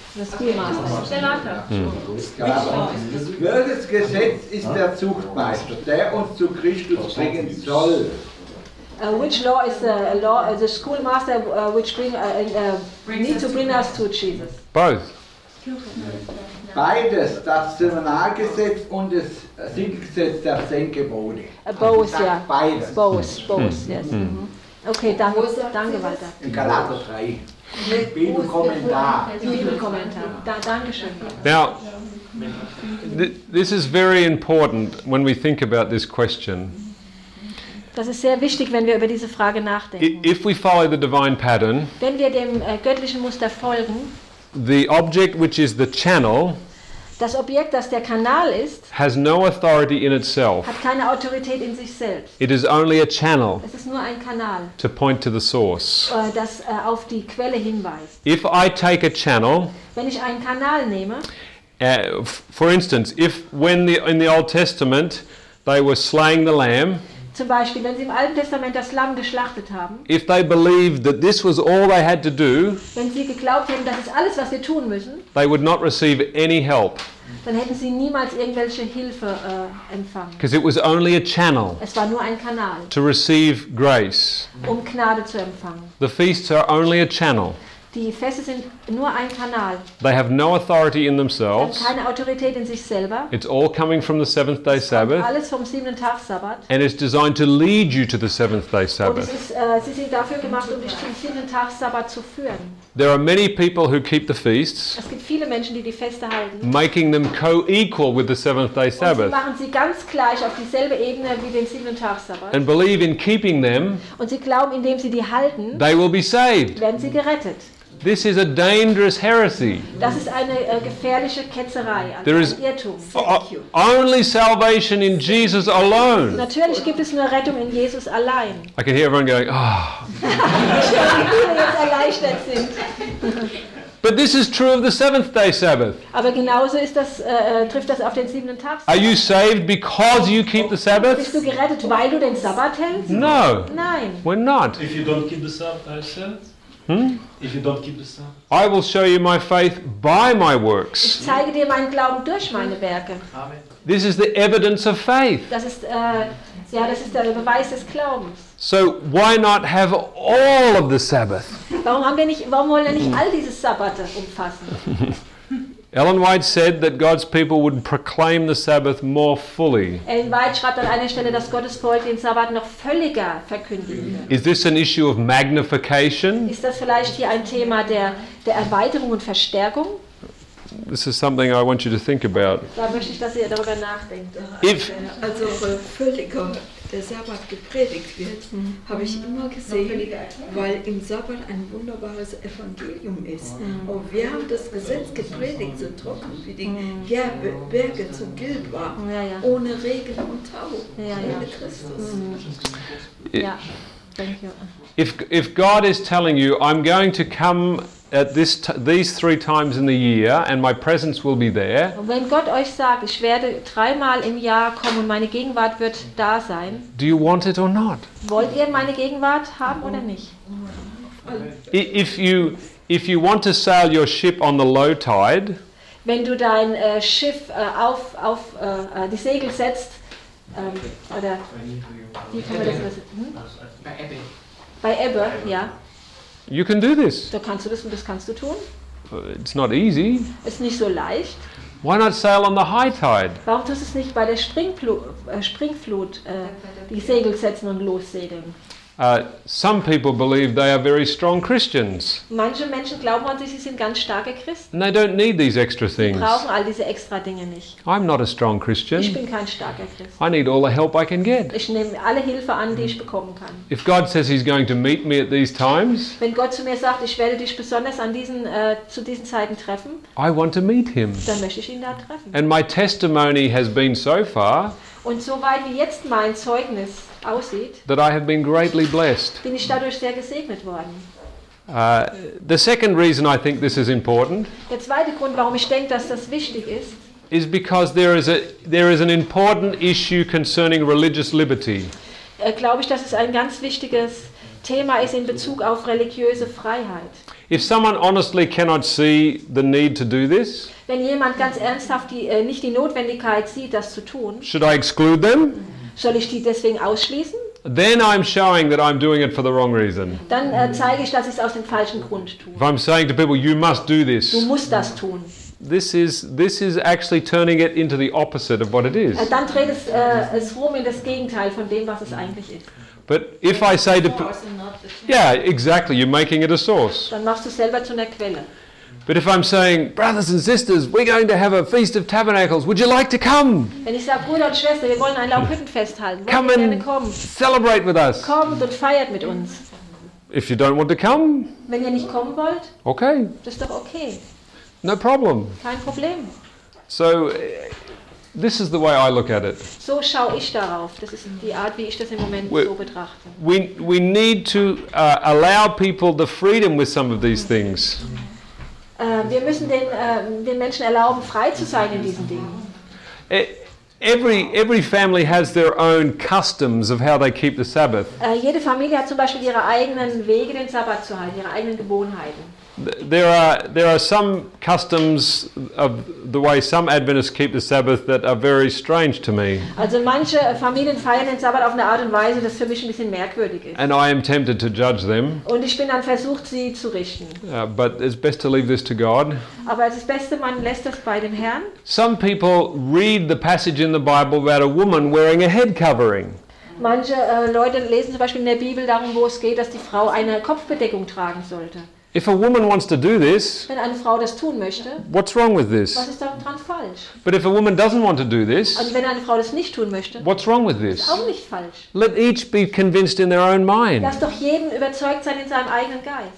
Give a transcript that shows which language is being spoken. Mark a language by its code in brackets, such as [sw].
[de] Welches Gesetz ist der Zuchtmeister, der uns zu Christus bringen soll? [en] Which law is the law, the schoolmaster, which need to bring us to Jesus? Both. [de] Beides, das Seminargesetz und das Sieggesetz der Zehngebote. [en] Both, yeah. [de] Beides. [en] Both, yes. Mm-hmm. Okay, danke Walter. [de] In Galater 3. Bibelkommentar. Dankeschön. [en] Now, this is very important when we think about this question. [de] Das ist sehr wichtig, wenn wir über diese Frage nachdenken. [en] If we follow the divine pattern, [de] wenn wir dem göttlichen Muster folgen, [en] the object which is the channel, [de] Das Objekt, das der Kanal ist, [en] has no authority in itself. [de] Hat keine Autorität in sich selbst. [en] It is only a channel. [de] Es ist nur ein Kanal. [en] To point to the source. [de] Das auf die Quelle hinweist. [en] If I take a channel, [de] wenn ich einen Kanal nehme, [en] For instance, if when the in the Old Testament they were slaying the lamb, [de] zum Beispiel, wenn sie im Alten Testament das Lamm geschlachtet haben, [en] if they believed that this was all they had to do, [de] wenn sie geglaubt hätten, das ist alles, was sie tun müssen, [en] they would not receive any help. [de] Dann hätten sie niemals irgendwelche Hilfe empfangen. [en] Because it was only a channel. [de] Es war nur ein Kanal. [en] To receive grace. [de] Um Gnade zu empfangen. [en] The feasts are only a channel. [de] Die Feste sind nur ein Kanal. [en] They have no authority in themselves. [de] Sie haben keine Autorität in sich selber. [en] It's all coming from the seventh day Sabbath. [de] Alles vom siebten Tag Sabbat. [en] And it's designed to lead you to the seventh day Sabbath. [de] Und sie sind dafür gemacht, um dich zum siebten Tag Sabbat zu führen. [en] There are many people who keep the feasts. [de] Es gibt viele Menschen, die Feste halten. [en] Making them co-equal with the seventh day Sabbath. [de] Und sie machen sie ganz gleich auf dieselbe Ebene wie den siebten Tag Sabbat. [en] And believe in keeping them. [de] Und sie glauben, indem sie die halten. [en] They will be saved. [de] Werden sie gerettet. [en] This is a dangerous heresy. [de] Das ist eine gefährliche Ketzerei, ein Irrtum. [en] Only salvation in Jesus alone. [de] Natürlich gibt es nur Rettung in Jesus allein. [en] I can hear everyone going, oh. [de] Ich höre, wie viele jetzt erleichtert sind. [en] But this is true of the seventh day Sabbath. [de] Aber genauso ist das, trifft das auf den siebten Tag. [en] Are you saved because you keep the Sabbath? [de] Bist du gerettet, weil du den Sabbat hältst? [en] No. [de] Nein. [en] We're not. If you don't keep the Sabbath, if you don't keep the Sabbath, I will show you my faith by my works. [de] Ich zeige dir meinen Glauben durch meine Werke. [en] Amen. This is the evidence of faith. [de] Das ist ja, das ist der Beweis des Glaubens. [en] So why not have all of the Sabbath? [de] Warum haben wir nicht, warum wollen wir nicht all diese Sabbate umfassen? [en] Ellen White said that God's people would proclaim the Sabbath more fully. [de] Ellen White schreibt an einer Stelle, dass Gottes Volk den Sabbat noch völliger verkündigen würde. [en] Is this an issue of magnification? [de] Ist das vielleicht hier ein Thema der Erweiterung und Verstärkung? [en] This is something I want you to think about. [de] Da möchte ich, dass ihr darüber nachdenkt. [en] If, [de] also völliger der Sabbat gepredigt wird, habe ich immer gesehen, weil im Sabbat ein wunderbares Evangelium ist. Und wir haben das Gesetz gepredigt, so trocken wie die Berge zu Gilb war, ohne Regen und Tau, ohne Christus. [en] Ja, thank you. If God is telling you, I'm going to come at these three times in the year and my presence will be there. [de] Wenn Gott euch sagt, ich werde dreimal im Jahr kommen und meine Gegenwart wird da sein. [en] Do you want it or not? [de] Wollt ihr meine Gegenwart haben oder nicht? [en] If you want to sail your ship on the low tide, [de] wenn du dein Schiff auf die Segel setzt, oder wie kann man das bei Ebbe. Bei Ebbe, ja. [en] You can do this. [de] Da kannst du das und das kannst du tun. [en] It's not easy. [de] Ist nicht so leicht. [en] Why not sail on the high tide? [de] Warum tust du es nicht bei der Springflut die Segel setzen und lossegeln? [en] Some people believe they are very strong Christians. [de] Manche Menschen glauben an sich, sie sind ganz starke Christen. [en] And they don't need these extra things. [de] Sie brauchen all diese extra Dinge nicht. [en] I'm not a strong Christian. [de] Ich bin kein starker Christ. [en] I need all the help I can get. [de] Ich nehme alle Hilfe an, die ich bekommen kann. [en] If God says he's going to meet me at these times, [de] wenn Gott zu mir sagt, ich werde dich besonders an diesen zu diesen Zeiten treffen, [en] I want to meet him. [de] Dann möchte ich ihn da treffen. [en] And my testimony has been so far, [de] und soweit wie jetzt mein Zeugnis aussieht, [en] that I have been greatly blessed. [de] Bin ich dadurch sehr gesegnet worden. [en] The second reason I think this is important, [de] der zweite Grund, warum ich denke, dass das wichtig ist, [en] is because there is an important issue concerning religious liberty. [de] Glaube ich, dass es ein ganz wichtiges Thema ist in Bezug auf religiöse Freiheit. [en] If someone honestly cannot see the need to do this, [de] wenn jemand ganz ernsthaft nicht die Notwendigkeit sieht, das zu tun, [en] should I exclude them? [de] Soll ich die deswegen ausschließen? [en] Then I'm showing that I'm doing it for the wrong reason. [de] Dann zeige ich, dass ich es aus dem falschen Grund tue. [en] If I'm saying to people, you must do this. [de] Du musst das tun. [en] This is actually turning it into the opposite of what it is. [de] Dann dreht es es rum in das Gegenteil von dem, was es eigentlich ist. [en] But if I say to yeah, exactly, you're making it a source. [de] Dann machst du selber zu einer Quelle. [en] But if I'm saying, brothers and sisters, we're going to have a Feast of Tabernacles. Would you like to come? [de] Wenn ich sage, Bruder und Schwester, wir wollen ein Laubhüttenfest halten. [en] Come and celebrate with us. [de] Kommt und feiert mit uns. [en] If you don't want to come. [de] Wenn ihr nicht kommen wollt. [en] Okay. [de] Das ist doch okay. [en] No problem. [de] Kein Problem. [en] So this is the way I look at it. [de] So schaue ich darauf. Das ist die Art, wie ich das im Moment so betrachte. [en] We need to allow people the freedom with some of these things. [de] Wir müssen den Menschen erlauben, frei zu sein in diesen Dingen. [en] Every family has their own customs of how they keep the Sabbath. [de] Jede Familie hat zum Beispiel ihre eigenen Wege, den Sabbat zu halten, ihre eigenen Gewohnheiten. [en] There are some customs of the way some Adventists keep the Sabbath that are very strange to me. [de] Also manche Familien feiern den Sabbat auf eine Art und Weise, das für mich ein bisschen merkwürdig ist. [en] And I am tempted to judge them. [de] Und ich bin dann versucht, sie zu richten. [en] But it's best to leave this to God. [de] Aber es ist beste, man lässt das bei dem Herrn. [en] Some people read the passage in the Bible about a woman wearing a head covering. [de] Manche Leute lesen zum Beispiel in der Bibel darum, wo es geht, dass die Frau eine Kopfbedeckung tragen sollte. [en] If a woman wants to do this, [de] wenn eine Frau das tun möchte, [en] what's wrong with this? [de] Was ist daran falsch? [en] But if a woman doesn't want to do this, [de] und wenn eine Frau das nicht tun möchte, [en] what's wrong with this? [de] Ist auch nicht falsch. [en] Let each be convinced in their own mind. [de] Lass doch jeden überzeugt sein in seinem eigenen Geist.